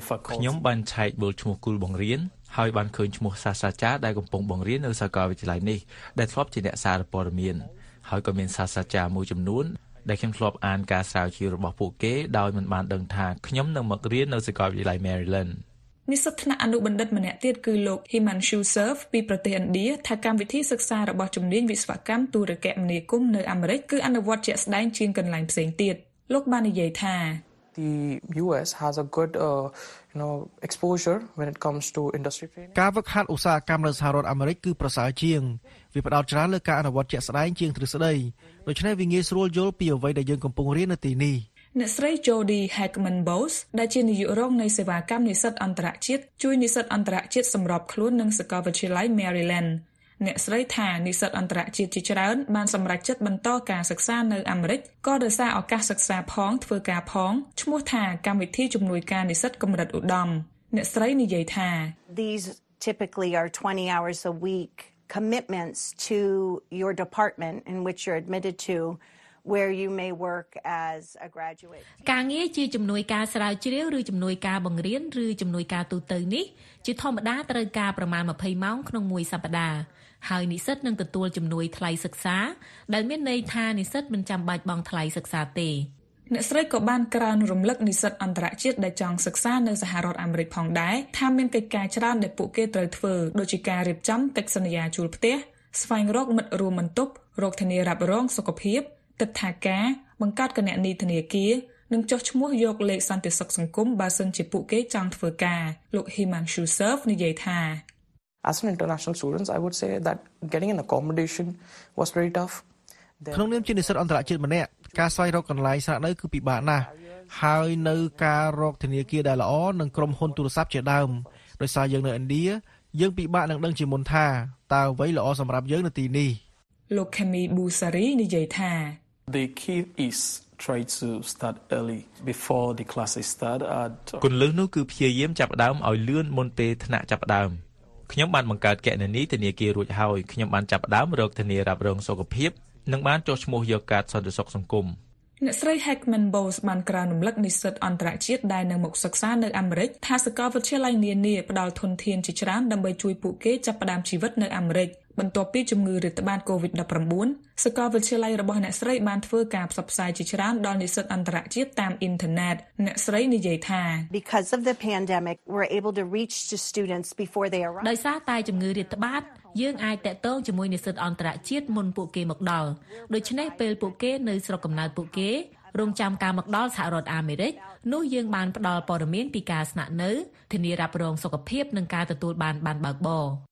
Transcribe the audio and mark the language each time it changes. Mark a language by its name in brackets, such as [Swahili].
[Khmer] ខ្ញុំបានឆែកមើលឈ្មោះគ្រូបង្រៀនហើយបានឃើញឈ្មោះសាស្ត្រាចារ្យដែលកំពុងបង្រៀននៅសាកលវិទ្យាល័យនេះដែលធ្លាប់ជាអ្នកសារព័ត៌មានហើយក៏មានសាស្ត្រាចារ្យមួយចំនួនដែលខ្ញុំធ្លាប់អានការស្រាវជ្រាវរបស់ពួកគេដោយមិនបានដឹងថាខ្ញុំនៅមករៀននៅសាកលវិទ្យាល័យ Maryland និស្សិតថ្នាក់អនុបណ្ឌិតម្នាក់ទៀតគឺលោក Himanshu Surf ពីប្រទេសឥណ្ឌាថាកម្មវិធីសិក្សារបស់ជំនាញវិស្វកម្មទូរគមនាគមន៍នៅអាមេរិកគឺអនុវត្តជាក់ស្ដែងជាងកន្លែងផ្សេងទៀតលោកបាននិយាយថា [English] The US has a good exposure when it comes to industry training [Khmer] ការវឹកហាត់ឧស្សាហកម្មនៅសហរដ្ឋអាមេរិកគឺប្រសើរជាងវាផ្ដោតច្រើនលើការអនុវត្តជាក់ស្ដែងជាងទ្រឹស្ដីដូច្នេះវាងាយស្រួលយល់ពីអ្វីដែលយើងកំពុងរៀននៅទីនេះ អ្នកស្រី Jody Heckman Bose ដែលជានាយករងនៃសេវាកម្មនិស្សិតអន្តរជាតិជួយនិស្សិតអន្តរជាតិសម្របខ្លួននៅសាកលវិទ្យាល័យ Maryland អ្នកស្រីថានិស្សិតអន្តរជាតិជាច្រើនបានសម្រេចចិត្តបន្តការសិក្សានៅអាមេរិកក៏ដោយសារឱកាសសិក្សាផងធ្វើការផងឈ្មោះថាកម្មវិធីជំនួយការនិស្សិតកម្រិតឧត្តមអ្នកស្រីនិយាយថា [English] These typically are 20 hours a week commitments to your department in which you're admitted to where you may work as a graduate [Khmer] ការងារជាជំនួយការស្រាវជ្រាវឬជំនួយការបង្រៀនឬជំនួយការទូទៅនេះជាធម្មតាត្រូវការប្រមាណ20ម៉ោងក្នុងមួយសប្តាហ៍ហើយនិស្សិតនឹងទទួលជំនួយថ្លៃសិក្សាដែលមានន័យថានិស្សិតមិនចាំបាច់បង់ថ្លៃសិក្សាទេ អ្នកស្រីក៏បានក្រើនរំលឹកនិស្សិតអន្តរជាតិដែលចង់សិក្សានៅសហរដ្ឋអាមេរិកផងដែរថាមានកិច្ចការច្រើនដែលពួកគេត្រូវធ្វើដូចជាការរៀបចំកិច្ចសន្យាជួលផ្ទះស្វែងរកមិត្តរួមបន្ទប់រកធានារ៉ាប់រងសុខភាពទឹកថាការបង្កើតគណនីធនាគារនិងចុះឈ្មោះយកលេខសន្តិសុខសង្គមបើសិនជាពួកគេចង់ធ្វើការលោក Himanshu Surf និយាយថា [English] As an international student, I would say that getting an accommodation was pretty tough. [Khmer] ក្នុងនាមជានិស្សិតអន្តរជាតិម្នាក់ការស្វែងរកកន្លែងស្នាក់នៅគឺពិបាកណាស់ហើយនៅការរកធនាគារដែលល្អនិងក្រុមហ៊ុនទូរស័ព្ទជាដើមដោយសារយើងនៅឥណ្ឌាយើងពិបាកនឹងដឹងជាមុនថាតើអ្វីល្អសម្រាប់យើងនៅទីនេះ លោកខេមីប៊ូសារីនិយាយថា [English] The key is try to start early before the classes start. [Khmer] គន្លឹះនោះគឺព្យាយាមចាប់ផ្ដើមឲ្យលឿនមុនពេលថ្នាក់ចាប់ផ្ដើមខ្ញុំបានបង្កើតគណនីធនាគាររួចហើយខ្ញុំបានចាប់ផ្ដើមរកធានារ៉ាប់រងសុខភាពនិងបានចុះឈ្មោះយកកាតសន្តិសុខសង្គម អ្នកស្រី Heckman Bowles បានក្រើនរំលឹកនិស្សិតអន្តរជាតិដែលនៅមកសិក្សានៅអាមេរិកថាសាកលវិទ្យាល័យនានាផ្ដល់ធនធានជាច្រើនដើម្បីជួយពួកគេចាប់ផ្ដើមជីវិតនៅអាមេរិកបន្ទាប់ពីជំងឺរាតត្បាត COVID-19 សាកលវិទ្យាល័យរបស់អ្នកស្រីបានធ្វើការផ្សព្វផ្សាយជាច្រើនដល់និស្សិតអន្តរជាតិតាមអ៊ីនធឺណិតអ្នកស្រីនិយាយថា [English] Because of the pandemic we're able to reach to students before they arrive [Khmer] ដោយសារតែជំងឺរាតត្បាតយើងអាចតាក់ទងជាមួយនិស្សិតអន្តរជាតិមុនពួកគេមកដល់ដូច្នេះពេលពួកគេនៅស្រុកកំណើតពួកគេ រងចាំការមកដល់សហរដ្ឋអាមេរិកនោះយើងបានផ្ដល់ព័ត៌មានពីការស្នាក់នៅធានារ៉ាប់រងសុខភាពនិងការទទួលបានបានបើកបរ